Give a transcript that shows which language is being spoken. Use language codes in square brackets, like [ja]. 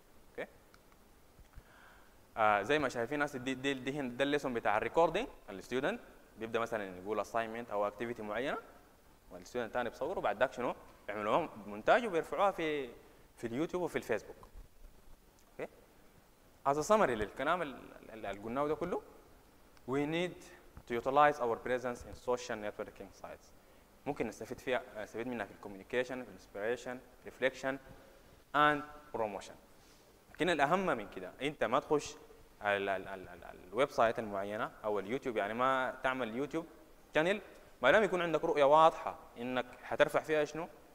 [ar] اوكي زي ما شايفين ناس دي الليسون بتاع الريكوردنج الستودنت بيبدا مثلا يقول اساينمنت او اكتيفيتي معينه والستودنت الثاني بيصوره وبعد ذاك شنو؟ بيعملوا مونتاج وبيرفعوها في اليوتيوب وفي الفيسبوك. [en] As a summary [ar] للكلام اللي قلناه ده كله, [en] we need to utilize our presence in social networking sites. [ar] ممكن نستفيد فيها, نستفيد منها في الكوميونيكيشن, في الانسبيريشن, [en] Reflection and promotion. [ar] لكن الاهم من كده, انت ما تخش على الويب سايت المعينه او اليوتيوب, يعني ما تعمل يوتيوب شانل ما لم يكون عندك رؤيه واضحه انك حترفع فيها شنو.